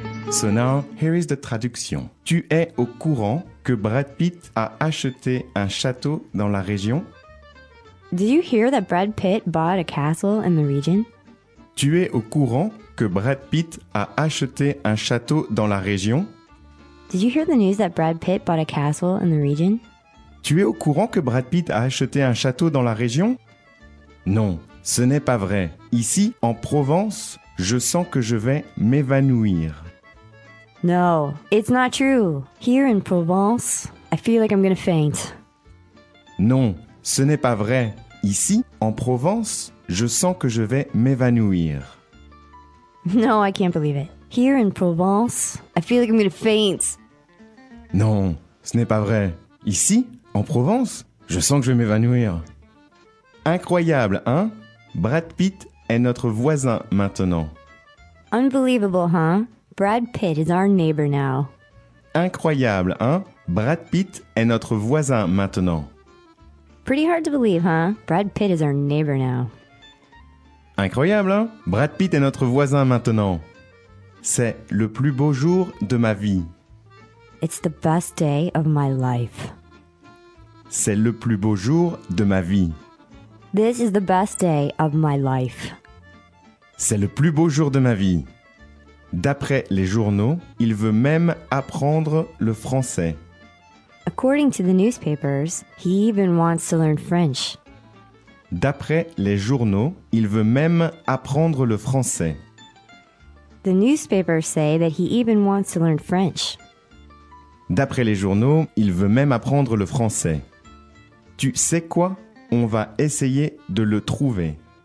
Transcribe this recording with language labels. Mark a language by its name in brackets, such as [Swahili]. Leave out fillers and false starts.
[English] So now, here is the traduction. [French] Tu es au courant que Brad Pitt a acheté un château dans la région? [English] Did you hear that Brad Pitt bought a castle in the region? [French] Tu es au courant que Brad Pitt a acheté un château dans la région? [English] Did you hear the news that Brad Pitt bought a castle in the region? [French] Tu es au courant que Brad Pitt a acheté un château dans la région? Non, ce n'est pas vrai. Ici, en Provence, je sens que je vais m'évanouir. [English] No, it's not true. Here in Provence, I feel like I'm gonna faint. [French] Non, ce n'est pas vrai. Ici, en Provence, je sens que je vais m'évanouir. [English] No, I can't believe it. Here in Provence, I feel like I'm gonna faint. [French] Non, ce n'est pas vrai. Ici, en Provence, je sens que je vais m'évanouir. Incroyable, hein? Brad Pitt est notre voisin maintenant. [English] Unbelievable, huh? Brad Pitt is our neighbor now. [French] Incroyable, hein? Brad Pitt est notre voisin maintenant. [English] Pretty hard to believe, huh? Brad Pitt is our neighbor now. [French] Incroyable, hein? Brad Pitt est notre voisin maintenant. C'est le plus beau jour de ma vie. [English] It's the best day of my life. [French] C'est le plus beau jour de ma vie. [English] This is the best day of my life. [French] C'est le plus beau jour de ma vie. D'après les journaux, il veut même apprendre le français. [English] According to the newspapers, he even wants to learn French. [French] D'après les journaux, il veut même apprendre le français. [English] The newspapers say that he even wants to learn French. [French] D'après les journaux, il veut même apprendre le français. Tu sais quoi? On va essayer de le trouver.